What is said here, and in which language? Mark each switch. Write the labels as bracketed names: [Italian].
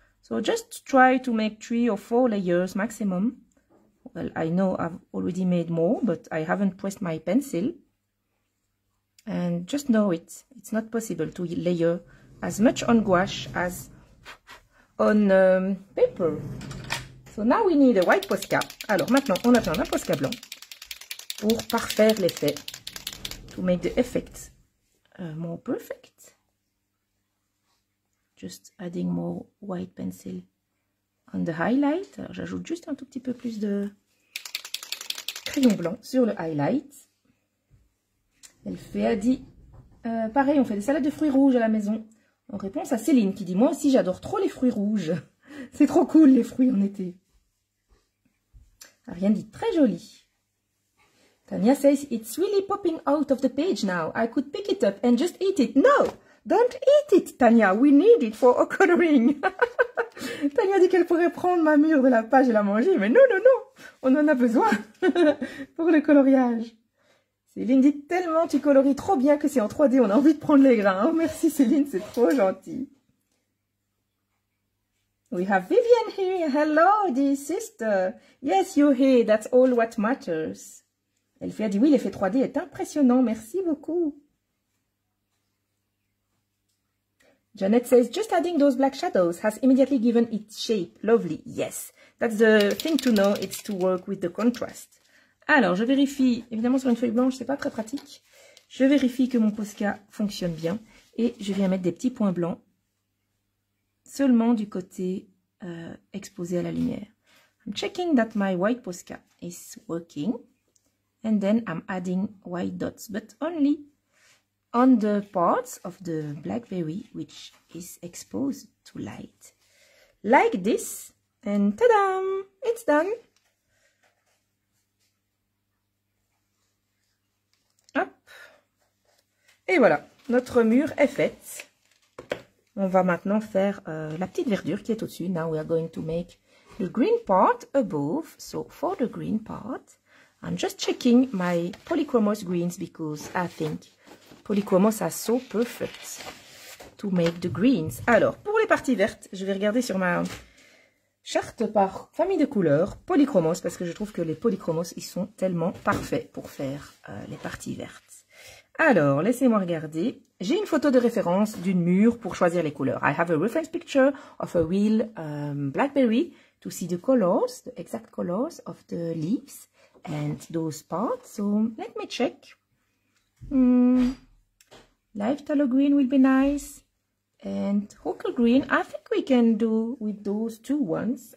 [English] So just try to make 3 or 4 layers maximum. Well, I know I've already made more, but I haven't pressed my pencil. And just know it's not possible to layer as much on gouache as on paper. So now we need a white Posca. [French] Alors maintenant, on a besoin d'un Posca blanc pour parfaire l'effet. [English] To make the effect more perfect. Just adding more white pencil on the highlight. [French] Alors j'ajoute juste un tout petit peu plus de crayon blanc sur le highlight. Elle fait, elle dit, pareil, on fait des salades de fruits rouges à la maison. En réponse à Céline qui dit, moi aussi j'adore trop les fruits rouges. C'est trop cool les fruits en été. Ariane dit, très joli. [English] Tania says, it's really popping out of the page now. I could pick it up and just eat it. No, don't eat it, Tania. We need it for our coloring. [French] Tania dit qu'elle pourrait prendre ma mûre de la page et la manger. Mais non, non, non, on en a besoin pour le coloriage. Céline dit tellement tu coloris trop bien que c'est en 3D, on a envie de prendre les grains. Oh, merci Céline, c'est trop gentil. [English] We have Vivian here. Hello, dear sister. Yes, you're here. That's all what matters. [French] Elle fait, elle dit oui, l'effet 3D est impressionnant. Merci beaucoup. [English] Janet says, just adding those black shadows has immediately given it shape. Lovely. Yes, that's the thing to know. It's to work with the contrast. [French] Alors, je vérifie, évidemment sur une feuille blanche, c'est pas très pratique. Je vérifie que mon Posca fonctionne bien et je viens mettre des petits points blancs seulement du côté exposé à la lumière. [English] I'm checking that my white Posca is working and then I'm adding white dots, but only on the parts of the blackberry which is exposed to light. Like this and ta-da, it's done. [French] Et voilà, notre mûre est faite. On va maintenant faire la petite verdure qui est au-dessus. [English] Now we are going to make the green part above. So for the green part, I'm just checking my polychromos greens because I think polychromos are so perfect to make the greens. [French] Alors, pour les parties vertes, je vais regarder sur ma charte par famille de couleurs polychromos parce que je trouve que les polychromos, ils sont tellement parfaits pour faire les parties vertes. Alors, laissez-moi regarder. J'ai une photo de référence d'une mûre pour choisir les couleurs. [English] I have a reference picture of a real blackberry to see the colors, the exact colors of the leaves and those parts. So, let me check. Live tallow green will be nice. And hooker green, I think we can do with those two ones.